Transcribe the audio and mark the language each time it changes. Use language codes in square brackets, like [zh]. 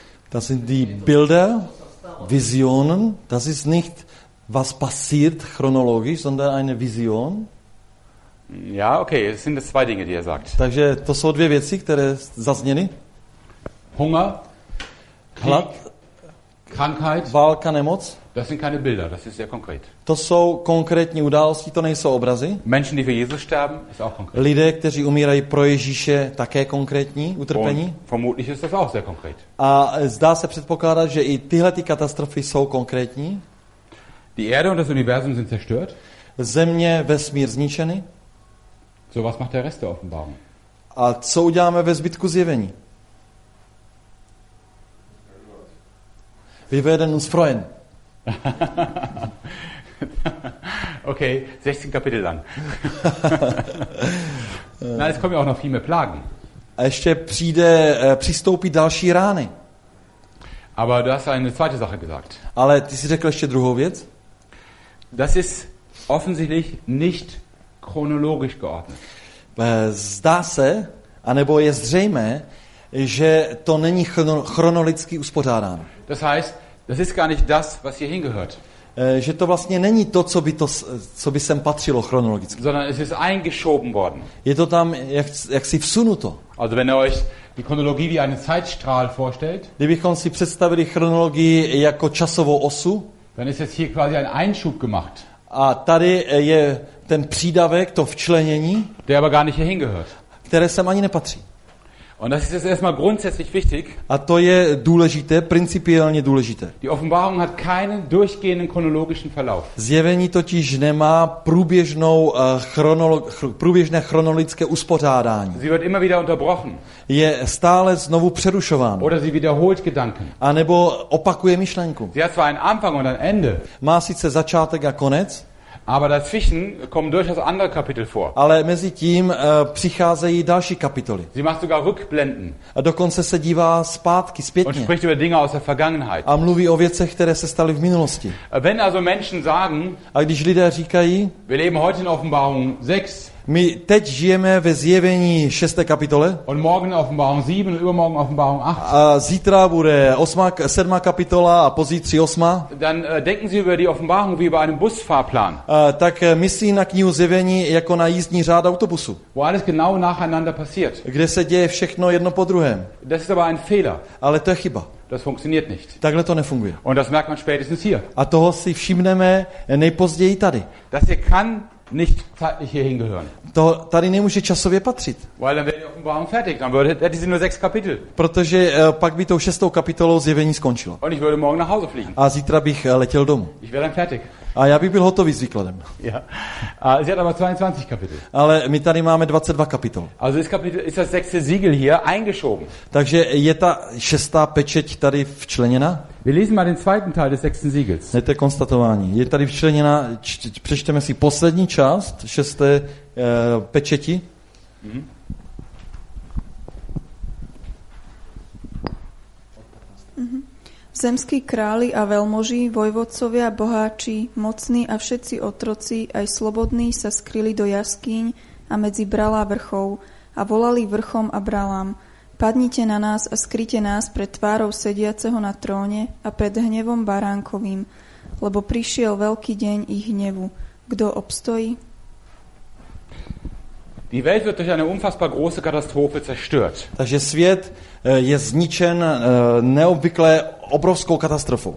[de] Das sind die Bilder, Visionen. Das ist nicht, was passiert chronologisch, sondern eine Vision. Ja, okay, es sind zwei Dinge, die er sagt. [cs] Takže to jsou dvě věci, které zazněly. [de] Hunger, [cs] hlad, [de] Krankheit, [cs] válka, nemoc. [de] Das sind keine Bilder, das ist sehr konkret. [cs] To jsou konkrétní události, to nejsou obrazy. [de] Menschen, die für Jesus sterben, ist auch konkret. [cs] Lidé, kteří umírají pro Ježíše, také konkrétní utrpení. [de] Und vermutlich ist das auch sehr konkret. [cs] A zdá se předpokládat, že i tyhle ty katastrofy jsou konkrétní. [de] Die Erde und das Universum sind zerstört. [cs] Země, vesmír zničeny. [de] So was macht der Rest der Offenbarung? [cs] A co uděláme ve zbytku zjevení? [de] Wir werden uns freuen. Okay, 16 Kapitel lang. Nein, es kommen ja auch noch viel mehr Plagen. [cs] A ještě přijde přistoupit další rány. [de] Aber du hast eine zweite Sache gesagt. [cs] Ale ty jsi řekl ještě druhou věc. [de] Das ist offensichtlich nicht chronologisch geordnet. [cs] Zdá se, anebo je zřejmé, že to není chronologicky uspořádáno. [de] Das heißt, das ist gar nicht das, was hier hingehört. [cs] Že to vlastně není to, co by sem patřilo chronologicky. [de] Sondern es ist eingeschoben worden. [cs] Je to tam jaksi vsunuto. [de] Also wenn ihr euch die Chronologie wie einen Zeitstrahl vorstellt, [cs] kdybychom si představili chronologii jako časovou osu, [de] dann ist es hier quasi ein Einschub gemacht. [cs] A tady je ten přídavek, to včlenění, [de] der aber gar nicht hier hingehört. [cs] Které sem ani nepatří. [de] Und das ist jetzt erstmal grundsätzlich wichtig. [cs] A to je důležité, principiálně důležité. [de] Die Offenbarung hat keinen durchgehenden chronologischen Verlauf. [cs] Zjevení totiž nemá průběžné chronologické uspořádání. [de] Sie wird immer wieder unterbrochen. [cs] Je stále znovu přerušováno. [de] Oder sie wiederholt Gedanken. [cs] A nebo opakuje myšlenku. [de] Sie hat zwar einen Anfang und ein Ende. [cs] Má sice začátek a konec. [de] Aber dazwischen kommen durchaus andere Kapitel vor. [cs] Ale mezi tím přicházejí další kapitoly. [de] Sie macht sogar Rückblenden. [cs] A dokonce se dívá zpátky, zpětně. [de] Und spricht über Dinge aus der Vergangenheit. [cs] A mluví o věcech, které se staly v minulosti. [de] Wenn also Menschen sagen, [cs] a když lidé říkají, [de] wir leben heute in Offenbarung 6, [cs] my teď žijeme ve zjevení 6. kapitole. [de] Und morgen Offenbarung 7 und übermorgen Offenbarung 8. [cs] A zítra bude 7. kapitola a pozítří 8. [de] Dann denken Sie über die Offenbarung wie über einen Busfahrplan. [cs] Tak myslí na knihu zjevení jako na jízdní řád autobusu. [de] Wo alles genau nacheinander passiert. [cs] Kde se děje všechno jedno po druhém. [de] Das ist aber ein Fehler. [cs] Ale to je chyba. [de] Das funktioniert nicht. [cs] Takhle to nefunguje. [de] Und das merkt man spätestens hier. [cs] A toho si všimneme nejpozději tady. [de] Das hier kann nicht zeitlich hier hingehören. [cs] To tady nemůže časově patřit. [de] Weil dann wäre die Offenbarung fertig, dann hätte sie nur 6 Kapitel. [cs] Protože pak by tou 6. kapitolou zjevení skončilo. [de] Und ich würde morgen nach Hause fliegen. [cs] A zítra bych letěl domů. [de] Ich wäre dann fertig. [cs] A já bych byl hotový s výkladem. [de] Ja. Sie hat aber 22 Kapitel. [cs] Ale my tady máme 22 kapitol. [de] Also ist Kapitel ist das sechste Siegel hier eingeschoben. [cs] Takže je ta 6. pečeť tady včleněna? [de] Wir lesen mal den zweiten Teil des sechsten Siegels. [cs] Je to konstatování. Je tady včleněna, přečteme si poslední část 6. pečeti. Mhm. [sk] Zemskí králi a veľmoží, vojvodcovia, boháči, mocní a všetci otroci, aj slobodní sa skryli do jaskýň a medzi bralá vrchov a volali vrchom a bralám. Padnite na nás a skryte nás pred tvárou sediaceho na tróne a pred hnevom baránkovým, lebo prišiel veľký deň ich hnevu. Kto obstojí? [de] Die Welt wird durch eine unfassbar große Katastrophe zerstört. [cs] Takže svět je zničen neobvykle obrovskou katastrofou.